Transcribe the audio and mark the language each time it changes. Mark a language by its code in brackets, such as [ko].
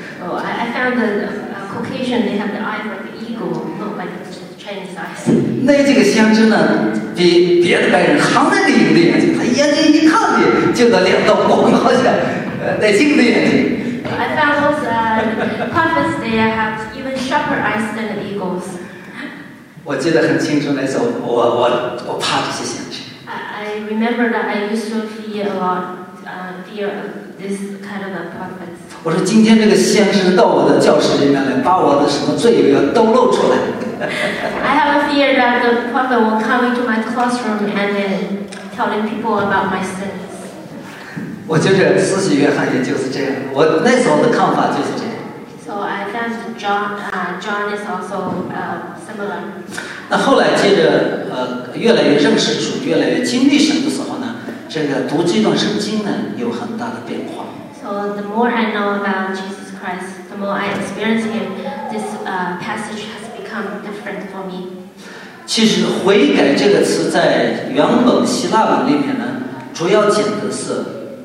[en] Oh, I found the Caucasian they have the eyes like eagle, not like Chinese eyes. [zh] 那这个先知呢，比别的白人还那个鹰的眼睛，他眼睛一看见就得两道光，好像带鹰的眼睛。 [en] I found those prophets, they have even sharper eyes than the eagles. [zh] 我记得很清楚，那时候我怕这些先知。 [en] I remember that I used to fear a lot, fear this kind of prophets. [zh] 我说今天这个先知到我的教室里面来，把我的什么罪要都露出来。 [en] I have a fear that the prophet will come into my classroom and then telling people about my sins. [zh] 我觉得慈禧约翰也就是这样，我那时候的看法就是这样。 [en] So I think John is also similar. [zh] 那后来接着越来越认识主，越来越经历神的时候呢，这个读这段圣经呢有很大的变化。 [en] So the more I know about Jesus Christ, the more I experience Him, this passage has become different for me. [zh] 其实悔改这个词在原本希腊文里面呢，主要讲的是。